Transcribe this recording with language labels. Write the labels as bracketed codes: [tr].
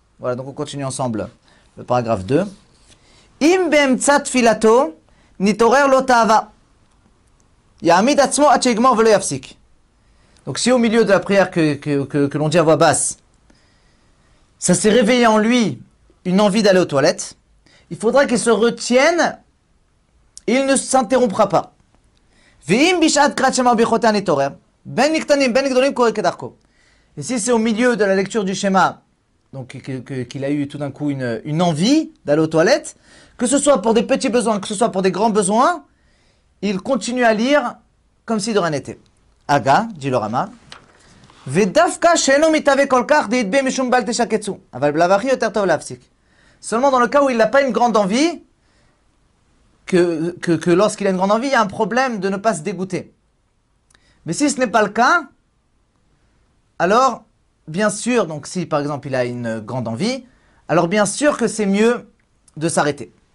[fr] Voilà, donc on continue ensemble le paragraphe 2. « [he] Im beem tzat filato nitorer lo ta'ava » יעמיד עצמו עד שיגמור ולא יפסיק. [fr] Donc si au milieu de la prière que l'on dit à voix basse, ça s'est réveillé en lui une envie d'aller aux toilettes, il faudra qu'il se retienne et il ne s'interrompra pas. [he] ואם בשעת קריאת שמע וברכותיה נתעורר, בין מקטנים בין גדולים קורה כדרכו. [fr] Et si c'est au milieu de la lecture du schéma, donc qu'il a eu tout d'un coup une envie d'aller aux toilettes, que ce soit pour des petits besoins, que ce soit pour des grands besoins, il continue à lire comme si de rien n'était. Aga, dit le Rama, [he] ודווקא שאינו מתהווה כל כך, דהידבי משום בל תשקצו. אבל בלאו הכי יותר טוב להפסיק. [fr] Seulement dans le cas où il n'a pas une grande envie, que lorsqu'il a une grande envie, il y a un problème de ne pas se dégoûter. Mais si ce n'est pas le cas, alors bien sûr, donc si par exemple il a une grande envie, alors bien sûr que c'est mieux de s'arrêter.